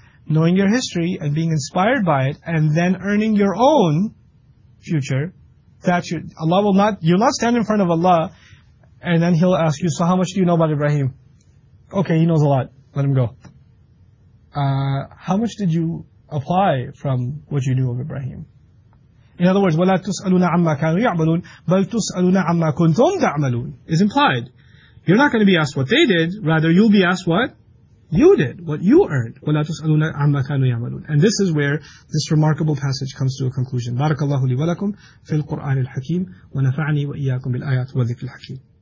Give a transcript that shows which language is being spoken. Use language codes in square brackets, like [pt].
[en] Knowing your history and being inspired by it and then earning your own future, that you, Allah will not, you'll not stand in front of Allah and then He'll ask you, so how much do you know about Ibrahim? Okay, he knows a lot. Let him go. How much did you apply from what you knew of Ibrahim? In other words, [ar] وَلَا تُسْأَلُونَ عَمَّا كَانُوا يَعْمَلُونَ بَلْ تُسْأَلُونَ عَمَّا كُنْتُمْ تَعْمَلُونَ [en] is implied. You're not going to be asked what they did, rather you'll be asked what you did, what you earned. [ar] وَلَا تُسْأَلُونَ عَمَّا كَانُوا يَعْمَلُونَ. [en] And this is where this remarkable passage comes to a conclusion. [ar] بَارَكَ اللَّهُ لِي وَلَكُمْ فِي الْقُرْآنِ الْحَكِيمِ وَنَفَعْنِي وَإِيَّاكُمْ بِالْآيَاتِ وَذِكْرِ الْحَكِيمِ.